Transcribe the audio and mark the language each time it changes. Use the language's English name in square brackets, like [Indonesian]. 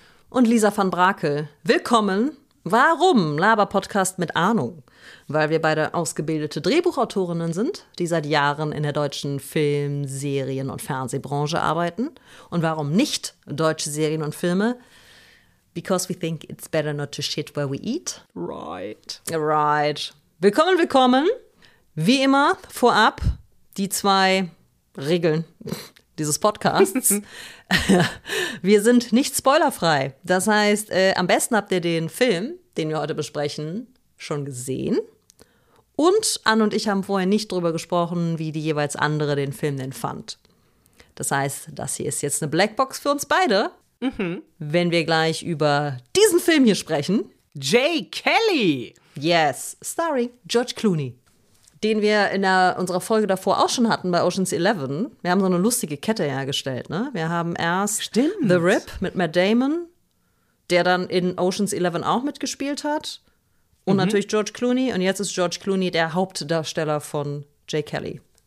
[German] und Lisa van Brakel. Willkommen. Warum Laber-Podcast mit Ahnung? Weil wir beide ausgebildete Drehbuchautorinnen sind, die seit Jahren in der deutschen Film-, Serien- und Fernsehbranche arbeiten. Und warum nicht deutsche Serien und Filme? [English] Because we think it's better not to shit where we eat. Right. [German] Right. Willkommen, willkommen. Wie immer vorab die zwei Regeln dieses Podcasts. Wir sind nicht spoilerfrei. Das heißt, am besten habt ihr den Film, den wir heute besprechen, schon gesehen. Und Anne und ich haben vorher nicht drüber gesprochen, wie die jeweils andere den Film denn fand. Das heißt, das hier ist jetzt eine Blackbox für uns beide. Wenn wir gleich über diesen Film hier sprechen. Jay Kelly. [English] Yes, starring George Clooney. [German] Den wir in unserer Folge davor auch schon hatten bei Ocean's 11. Wir haben so eine lustige Kette hergestellt. Ne? Wir haben erst The Rip mit Matt Damon, der dann in Ocean's 11 auch mitgespielt hat. Und natürlich George Clooney. Und jetzt ist George Clooney der Hauptdarsteller von Jay Kelly.